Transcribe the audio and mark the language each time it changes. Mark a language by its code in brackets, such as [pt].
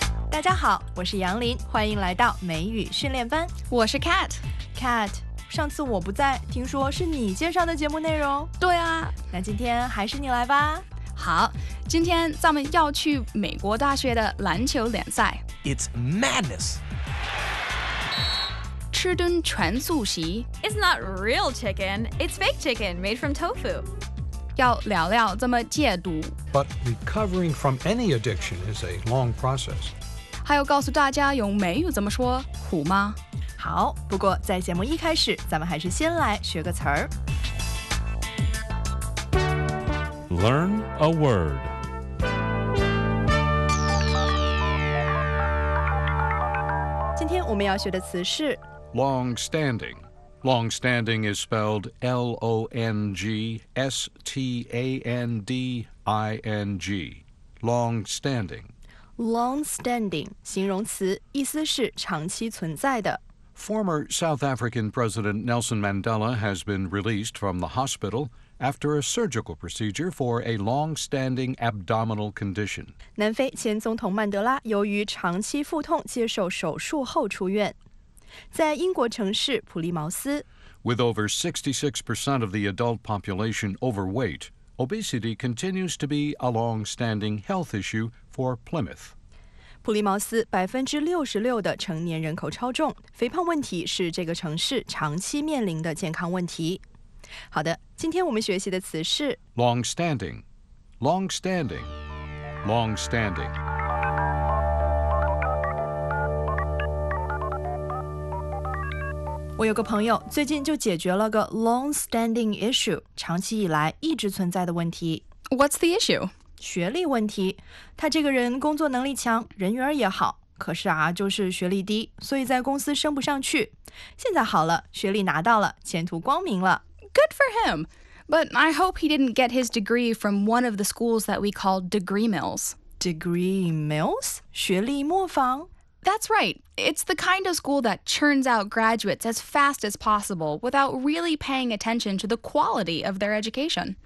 [zh] 大家好，我是杨林，欢迎来到美语训练班。我是 Cat。 Cat， 上次我不在，听说是你介绍的节目内容。对啊，那今天还是你来吧。好，今天咱们要去美国大学的篮球联赛。 [en] It's madness。 [zh] 吃顿全素食。 [en] It's not real chicken, it's fake chicken made from tofu. [zh] 要聊聊怎么戒毒。 [en] But recovering from any addiction is a long process. [zh] 还有告诉大家用美语怎么说苦吗？好，不过在节目一开始，咱们还是先来学个词儿。 [en] Learn a word. [zh] 今天我们要学的词是 [en] long standing. Longstanding is spelled L-O-N-G-S-T-A-N-D-I-N-G. Longstanding. [zh] Longstanding, 形容词，意思是长期存在的。 [en] Former South African President Nelson Mandela has been released from the hospital after a surgical procedure for a longstanding abdominal condition. [zh] 南非前总统曼德拉由于长期腹痛接受手术后出院。在英国城市普利茅斯 [en] With over 66% of the adult population overweight, obesity continues to be a long-standing health issue for Plymouth. [zh] 普利茅斯 66% 的成年人口超重，肥胖问题是这个城市长期面临的健康问题。好的，今天我们学习的词是 [en] Long-standing, long-standing, long-standing. [zh] 我有个朋友最近就解决了个 long-standing issue, 长期以来一直存在的问题。 [en] What's the issue? [zh] 学历问题。他这个人工作能力强，人缘也好，可是啊，就是学历低，所以在公司升不上去。现在好了，学历拿到了，前途光明了。 [en] Good for him! But I hope he didn't get his degree from one of the schools that we call degree mills. Degree mills? [zh] 学历磨坊？ [en] That's right. It's the kind of school that churns out graduates as fast as possible without really paying attention to the quality of their education.